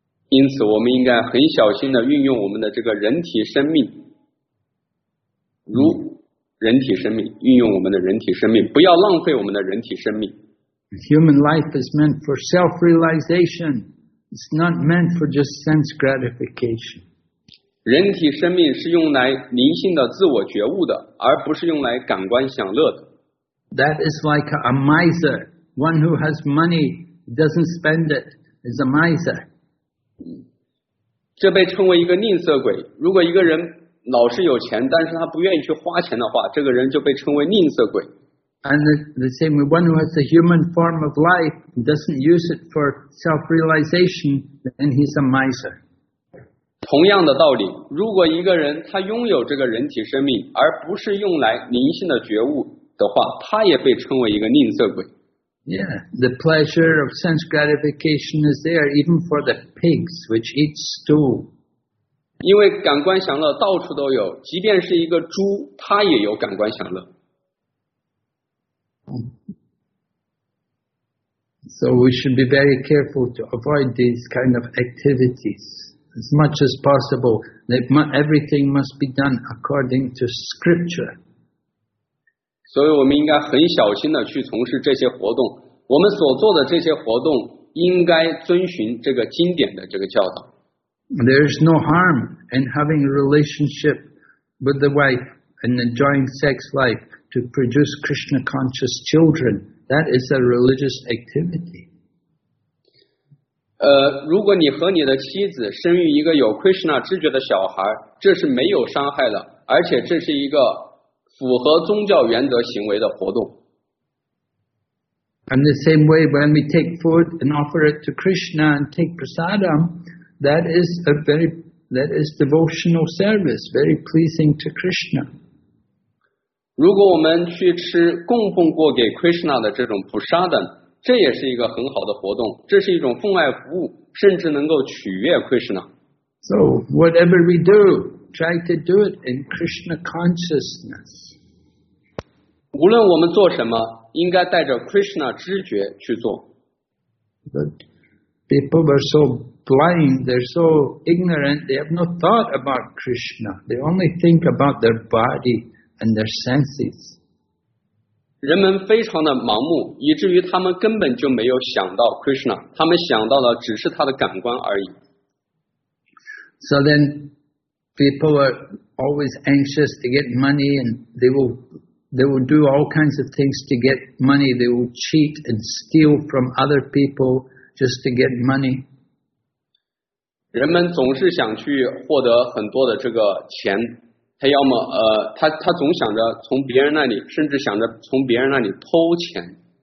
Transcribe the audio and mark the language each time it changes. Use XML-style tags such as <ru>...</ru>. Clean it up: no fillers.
<zh>因此我们应该很小心地运用我们的这个人体生命，如人体生命，运用我们的人体生命，不要浪费我们的人体生命。</zh> <en>Human life is meant for self-realization. It's not meant for just sense gratification.</en> <zh>人体生命是用来灵性的自我觉悟的，而不是用来感官享乐的。</zh> <en>That is like a miser. One who has money, doesn't spend it, is a miser.</en> <zh>这被称为一个吝啬鬼。如果一个人老是有钱，但是他不愿意去花钱的话，这个人就被称为吝啬鬼。</zh> <en>And the same way, one who has a human form of life doesn't use it for self-realization, then he's a miser.</en> <zh>同样的道理，如果一个人他拥有这个人体生命，而不是用来灵性的觉悟的话，他也被称为一个吝啬鬼。</zh> <en>Yeah, the pleasure of sense gratification is there even for the pigs which eat stool.</en> <zh>因为感官享乐到处都有，即便是一个猪，它也有感官享乐。</zh> <en>So we should be very careful to avoid these kind of activities as much as possible. Everything must be done according to scripture.</en> <zh>所以我们应该很小心地去从事这些活动，我们所做的这些活动应该遵循这个经典的这个教导。</zh> <en>There is no harm in having a relationship with the wife and enjoying sex life to produce Krishna conscious children. That is a religious activity.</en> <zh>如果你和你的妻子生育一个有 Krishna 知觉的小孩，这是没有伤害的，而且这是一个符合宗教原则行为的活动。</zh> <en>And the same way, when we take food and offer it to Krishna and take prasadam,That is devotional service, very pleasing to Krishna.</en> <zh>如果我们去吃供奉过给 Krishna 的这种 prasadam, 这也是一个很好的活动，这是一种奉爱服务，甚至能够取悦 Krishna.</zh> <en>So whatever we do, try to do it in Krishna consciousness.</en> <zh>无论我们做什么，应该带着 Krishna 知觉去做。</zh> <en>But people are so blind, they're so ignorant, they have no thought about Krishna. They only think about their body and their senses.</en> <zh>人们非常的盲目，以至于他们根本就没有想到 Krishna, 他们想到的只是他的感官而已。</zh> <en>So then people are always anxious to get money and they will do all kinds of things to get money. They will cheat and steal from other people just to get money.</en> <zh>人们总是想去获得很多的这个钱，他要么他总想着从别人那里，甚至想着从别人那里偷钱。</zh>